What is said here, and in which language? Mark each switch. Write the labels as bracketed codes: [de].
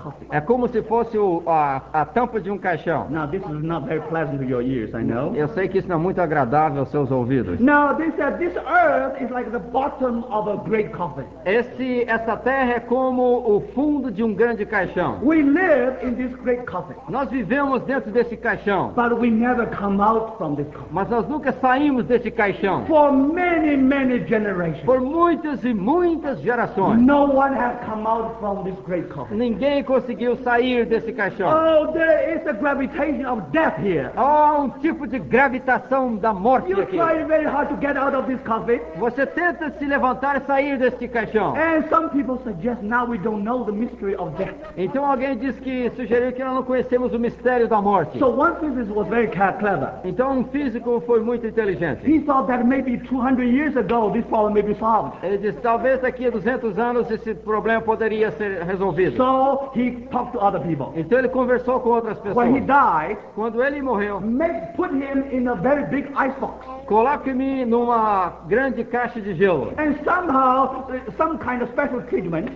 [pt] É como se fosse a tampa de caixão. [en] Now this is not very pleasant to your ears, I know. [pt] Eu sei que isso não é muito agradável aos seus ouvidos. [en] Now they said this earth is like the bottom of a great coffin. [pt] Essa terra é como o fundo de grande caixão. [en] We live in this great coffin. [pt] Nós vivemos dentro desse caixão. [en] But we never come out from this coffin. [pt] Mas nós nunca saímos desse caixão. [en] For many generations. [pt] Por muitas e muitas gerações. [en] No one has come out from this great coffin. [pt] Ninguém conseguiu sair desse caixão. [en] Oh, there is a gravitation of death here. [pt] Oh, tipo de gravitação da morte [en] you [pt] aqui. [en] You try very hard to get out of this coffin. [pt] Você tenta se levantar e sair deste caixão. [en] And some people suggest now we don't know the mystery of death. [pt] Então alguém sugeriu que nós não conhecemos o mistério da morte. [en] So one physicist was very clever. [pt] Então físico foi muito inteligente. [en] He thought that maybe 200 years ago this problem may be solved. [pt] Ele disse talvez daqui a 200 anos esse problema poderia ser resolvido. [en] So he talked to other people. [pt] Então ele conversou com outras pessoas. [en] When he died, [pt] quando ele morreu, [en] put him in a very big ice box. [pt] Coloque-me numa grande caixa de gelo. [en] And somehow, some kind of special treatment.